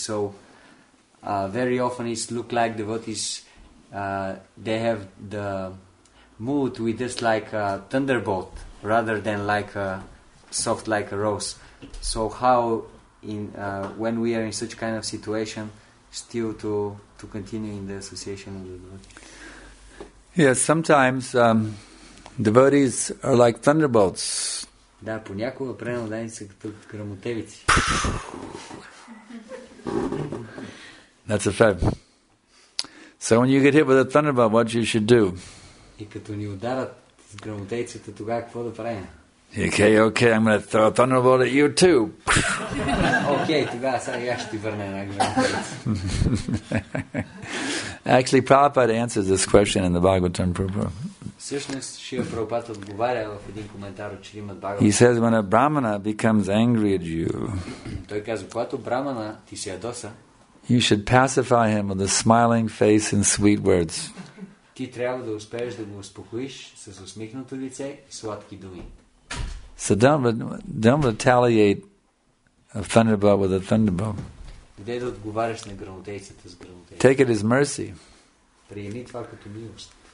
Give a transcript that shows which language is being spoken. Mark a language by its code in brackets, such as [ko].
[en] So very often it looks like devotees, they have the mood with this like a thunderbolt rather than like a soft like a rose. So how in when we are in such kind of situation still to continue in the association of the devotees? Yes, sometimes devotees are like thunderbolts. [bg] Да, понякога прено да са като грамотевици. [en] That's a fact. So when you get hit with a thunderbolt, what you should do? [bg] И като ни ударат с грамотейците, тогава какво да правим? [en] Okay, I'm going to throw a thunderbolt at you too. [bg] Okay, тогава сега ще ти върна една грамотейца. [en] Actually, Prabhupada answers this question in the Bhagavatam Purport. [bg] Всъщност, Шрила Прабхупада отговаря в един коментар от Шримад Бхагаватам. [en] He says, when a brahmana becomes angry at you, [bg] той казва, когато брамана ти се ядоса, [en] You should pacify him with a smiling face and sweet words. [bg] Ти трябва да успееш да го успокоиш с усмихнато лице и сладки думи. [en] So don't retaliate a thunderbolt with a thunderbolt. [bg] Не да отговаряш на гръмотейцата с гръмотейцата. [en] Take it as mercy. [bg] Приеми това като милост.